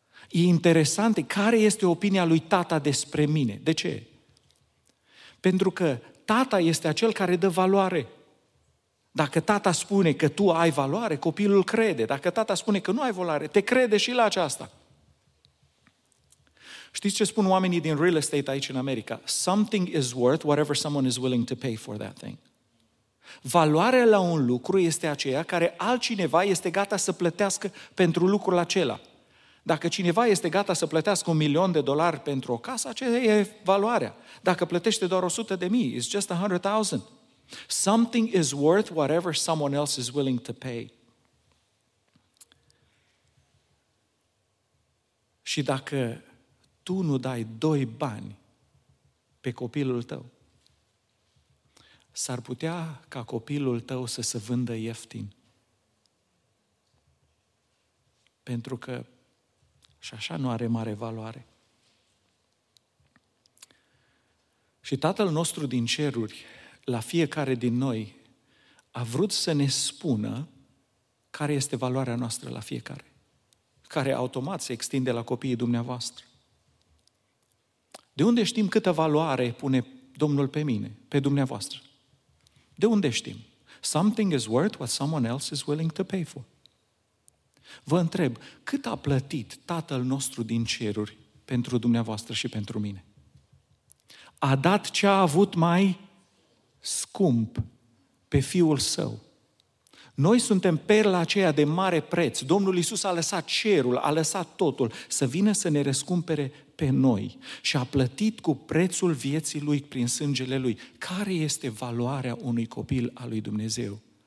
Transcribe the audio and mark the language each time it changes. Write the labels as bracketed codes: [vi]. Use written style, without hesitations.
[ro] E interesant, care este opinia lui tata despre mine? De ce? Pentru că tata este acel care dă valoare. Dacă tata spune că tu ai valoare, copilul crede. Dacă tata spune că nu ai valoare, te crede și la aceasta. Știți ce spun oamenii din real estate aici în America? [en] Something is worth whatever someone is willing to pay for that thing. [ro] Valoarea la un lucru este aceea care altcineva este gata să plătească pentru lucrul acela. Dacă cineva este gata să plătească $1,000,000 pentru o casă, aceea e valoarea. Dacă plătește doar 100,000, [en] it's just 100,000. Something is worth whatever someone else is willing to pay. [ro] Și dacă tu nu dai 2 bani pe copilul tău, s-ar putea ca copilul tău să se vândă ieftin. Pentru că și așa nu are mare valoare. Și Tatăl nostru din ceruri, la fiecare din noi, a vrut să ne spună care este valoarea noastră la fiecare, care automat se extinde la copiii dumneavoastră. De unde știm câtă valoare pune Domnul pe mine, pe dumneavoastră? De unde știm? [en] Something is worth what someone else is willing to pay for. [ro] Vă întreb, cât a plătit Tatăl nostru din ceruri pentru dumneavoastră și pentru mine? A dat ce a avut mai scump pe Fiul Său. Noi suntem perla aceea de mare preț. Domnul Iisus a lăsat cerul, a lăsat totul să vină să ne răscumpere pe noi și a plătit cu prețul vieții Lui prin sângele Lui. Care este valoarea unui copil al lui Dumnezeu?